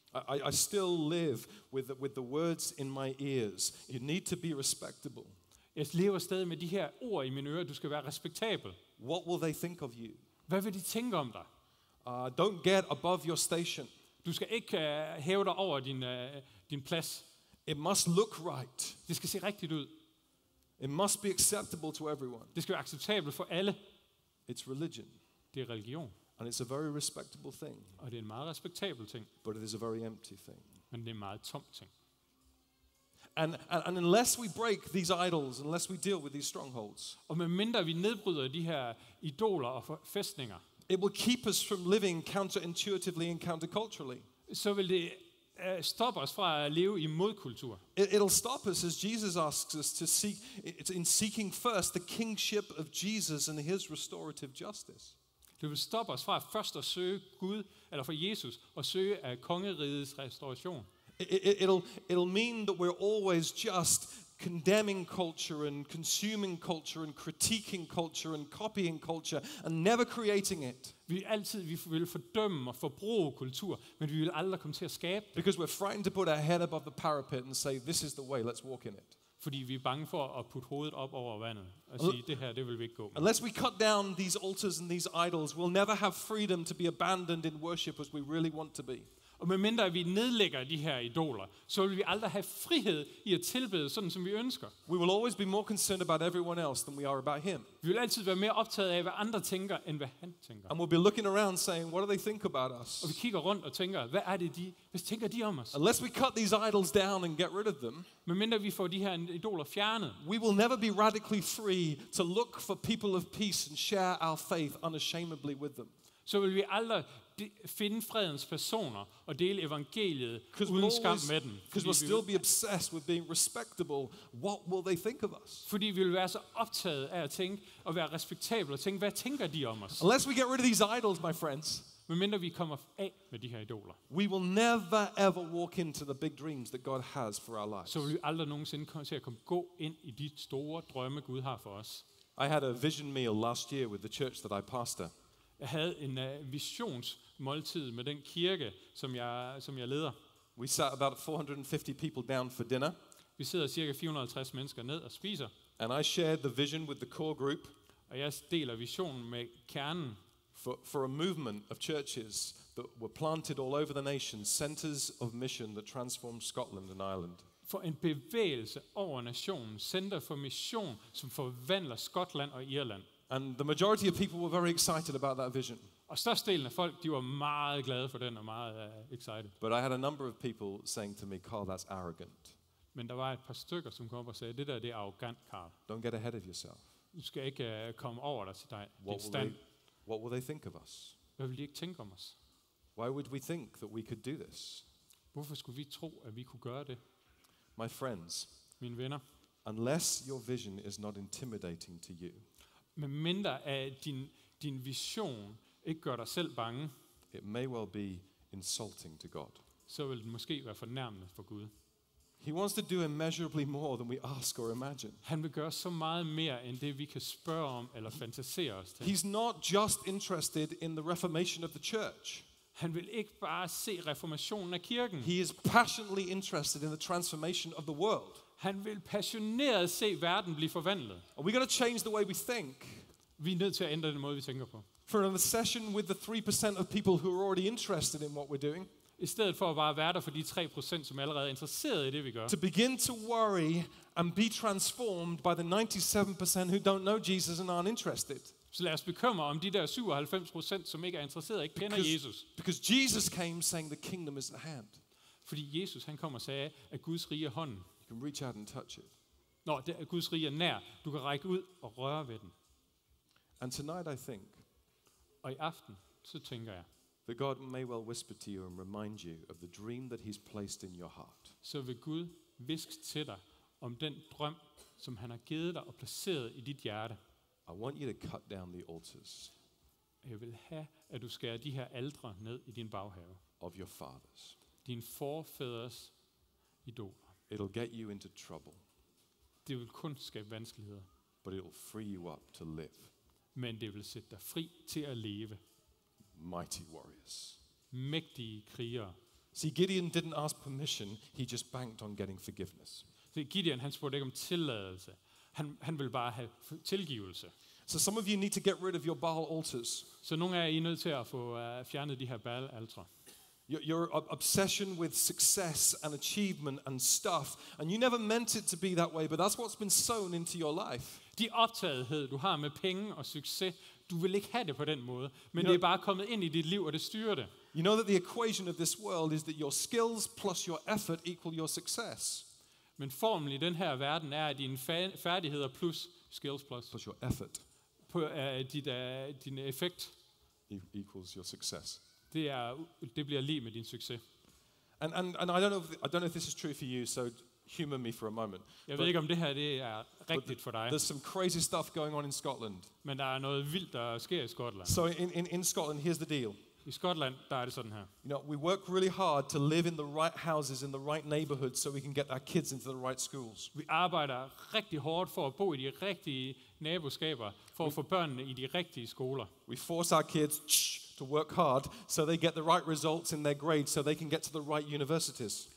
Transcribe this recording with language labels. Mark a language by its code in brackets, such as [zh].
[en] I still live with the words in my ears. You need to be respectable. [da] Jeg lever stadig med de her ord i mine ører. Du skal være respektabel. [en] What will they think of you? [da] Hvad vil de tænke om dig? [en] Don't get above your station. [da] Du skal ikke hæve dig over din plads. [en] It must look right. [da] Det skal se rigtigt ud. [en] It must be acceptable to everyone. [da] Det skal være acceptabelt for alle. [en] It's religion. [da] Det er religion. [en] And it's a very respectable thing. [da] Og det er en meget respektabel ting. [en] But it is a very empty thing. [da] Men det er en meget tom ting. [en] And unless we break these idols, unless we deal with these strongholds. [da] Og medmindre vi nedbryder de her idoler og fæstninger. [en] It will keep us from living counterintuitively and counterculturally. [da] Så vil det stop os fra at leve i modkultur. [en] It'll stop us as Jesus asks us to seek in seeking first the kingship of Jesus and his restorative justice. [da] Det vil stoppe os fra først at søge Gud eller for Jesus og søge af kongerigets restauration. [en] It'll mean that we're always just condemning culture and consuming culture and critiquing culture and copying culture and never creating it. [da] Vi vil fordømme og forbruge kultur, men vi vil aldrig komme til at skabe det. [en] Because we're frightened to put our head above the parapet and say this is the way, let's walk in it. [da] Fordi vi er bange for at putte hovedet op over vandet og sige det her, det vil vi ikke gå med. [en] Unless we cut down these altars and these idols, we'll never have freedom to be abandoned in worship as we really want to be. [da] Og medmindre vi nedlægger de her idoler, så vil vi aldrig have frihed i at tilbede sådan som vi ønsker. [en] We will always be more concerned about everyone else than we are about him. [da] Vi vil altid være mere optaget af hvad andre tænker end hvad han tænker. [en] And we'll be looking around saying, what do they think about us? [da] Og vi kigger rundt og tænker, hvad er det de, hvad tænker de om os? [en] Unless we cut these idols down and get rid of them. [da] Medmindre vi får de her idoler fjernet. [en] We will never be radically free to look for people of peace and share our faith unashamedly with them. [da] Så vil vi aldrig finde fredens personer og dele evangeliet uden skam med dem. [en] Because we'll still be obsessed with being respectable. What will they think of us? [da] Fordi vi vil være så optaget af at tænke og være respektabel og tænke, hvad tænker de om os? [en] Unless we get rid of these idols, my friends. [da] Medmindre vi kommer af med de her idoler. [en] We will never ever walk into the big dreams that God has for our lives. [da] Så vil vi aldrig nogensinde komme til at gå ind i de store drømme Gud har for os. [en] I had a vision meal last year with the church that I pastor. [da] Jeg havde en visionsmåltid med den kirke, som jeg leder. [en] We sat about 450 people down for dinner. [da] Vi sidder cirka 450 mennesker ned og spiser. [en] And I shared the vision with the core group. [da] Og jeg deler visionen med kernen. [en] For a movement of churches that were planted all over the nation, centers of mission that transformed Scotland and Ireland. [da] For en bevægelse over nationen, center for mission, som forvandler Skotland og Irland. [en] And the majority of people were very excited about that vision. [da] Og størstedelen af folk, de var meget glade for den og meget excited. [en] But I had a number of people saying to me, Carl, that's arrogant. [da] Men der var et par stykker, som kom op og sagde, det der, det er arrogant, Carl. [en] Don't get ahead of yourself. [da] Du skal ikke komme over dig til dig. [en] What will they think of us? [da] Hvad vil de ikke tænke om os? [en] Why would we think that we could do this? [da] Hvorfor skulle vi tro, at vi kunne gøre det? [en] My friends, [da] mine venner, [en] unless your vision is not intimidating to you, [da] med mindre at din vision ikke gør dig selv bange, [en] it may well be insulting to God. [da] Så vil det måske være fornærmende for Gud. [en] He wants to do immeasurably more than we ask or imagine. [da] Han vil gøre så meget mere end det vi kan spørge om eller fantasere os til. [en] He's not just interested in the reformation of the church. [da] Han vil ikke bare se reformationen af kirken. [en] He is passionately interested in the transformation of the world. [da] Han vil passioneret se verden blive forvandlet. [en] Are we going to change the way we think? [da] Vi er nødt til at ændre den måde vi tænker på. [en] For an obsession with the 3% of people who are already interested in what we're doing. [da] I stedet for at bare være der for de 3%, som allerede er interesseret i det vi gør. [en] To begin to worry and be transformed by the 97% who don't know Jesus and aren't interested. [da] Så lad os bekymre om de der 97%, som ikke er interesseret, ikke kender Jesus. [en] Because Jesus came saying the kingdom is at hand. [da] Fordi Jesus han kom og sagde at Guds rige er hånden. [en] You can reach out and touch it. [da] Nå, det er Guds rige er nær. Du kan række ud og røre ved den. [en] And tonight I think. [da] Og i aften så tænker jeg. [en] That God may well whisper to you and remind you of the dream that he's placed in your heart. [da] Så vil Gud hviske til dig om den drøm som han har givet dig og placeret i dit hjerte. [en] I want you to cut down the altars. [da] Jeg vil have at du skærer de her altre ned i din baghave. [en] Of your fathers. [da] Din forfædres idoler. [en] It'll get you into trouble. [da] Det vil kun skabe vanskeligheder. [en] But it'll free you up to live. [da] Men det vil sætte dig fri til at leve. [en] Mighty warriors. [da] Mægtige krigere. [en] See, Gideon didn't ask permission, he just banked on getting forgiveness. [da] Så Gideon han spurgte ikke om tilladelse. Han vil bare have tilgivelse. [en] So some of you need to get rid of your Baal altars. [da] Så nogle af jer er nødt til at få fjernet de her Baal altre. [en] Your obsession with success and achievement and stuff, and you never meant it to be that way, but that's what's been sown into your life. [da] Din optagethed du har med penge og succes, du vil ikke have det på den måde, men det er bare kommet ind i dit liv og det styrer det. [en] You know that the equation of this world is that your skills plus your effort equal your success. [da] Men formlen i den her verden er at dine færdigheder plus skills plus [en] your effort [da] på din effekt [en] equals your success. [da] Det bliver lige med din succes. [en] And I don't know if this is true for you, so humor me for a moment. [da] Jeg ved ikke om det her det er rigtigt for dig. [en] There's some crazy stuff going on in Scotland. [da] Men der er noget vildt der sker i Skotland. [en] So in Scotland, here's the deal. [da] I Skotland der er det sådan her. [en] You know, we work really hard to live in the right houses in the right neighborhoods so we can get our kids into the right schools. [da] Vi arbejder rigtig hårdt for at bo i de rigtige naboskaber for at få børnene i de rigtige skoler. [en] We force our kids to work hard so they get the right results in their grades so they can get to the right universities.